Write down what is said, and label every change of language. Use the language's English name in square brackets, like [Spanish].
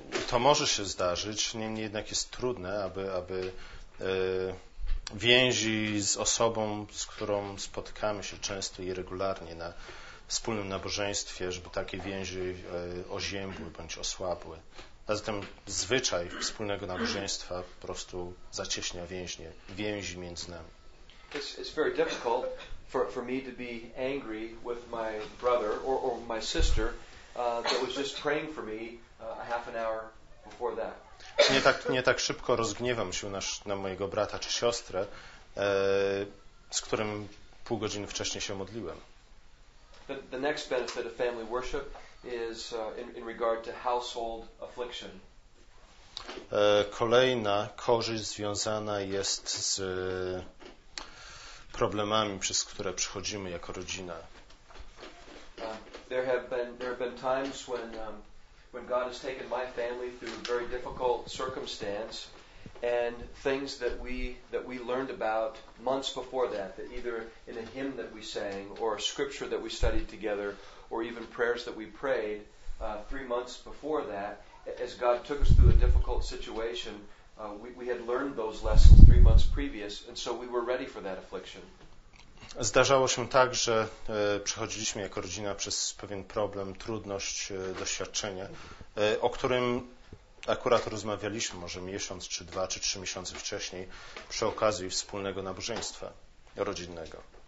[Polish] To może się zdarzyć, niemniej jednak jest trudne, aby więzi z osobą, z którą spotykamy się często i regularnie na wspólnym nabożeństwie, żeby takie więzi oziębły bądź osłabły. A zatem zwyczaj wspólnego nabożeństwa po prostu zacieśnia więzi między nami. [English] It's very difficult for me to be angry with my brother or my sister that was just praying for me a half an hour before that. [Polish] Nie tak szybko rozgniewam się na mojego brata czy siostrę, z którym pół godziny wcześniej się modliłem. [English] The next benefit of family worship is in regard to household affliction. [Polish] Kolejna korzyść związana jest z problemami, przez które przechodzimy jako rodzina. [English] There have been times when God has taken my family through a very difficult circumstance, and things that we learned about months before that either in a hymn that we sang or a scripture that we studied together or even prayers that we prayed 3 months before that, as God took us through a difficult situation, we had learned those lessons 3 months previous, and so we were ready for that affliction. [Polish] Zdarzało się tak, że przechodziliśmy jako rodzina przez pewien problem, trudność, doświadczenie, o którym akurat rozmawialiśmy może miesiąc, czy dwa, czy trzy miesiące wcześniej przy okazji wspólnego nabożeństwa rodzinnego.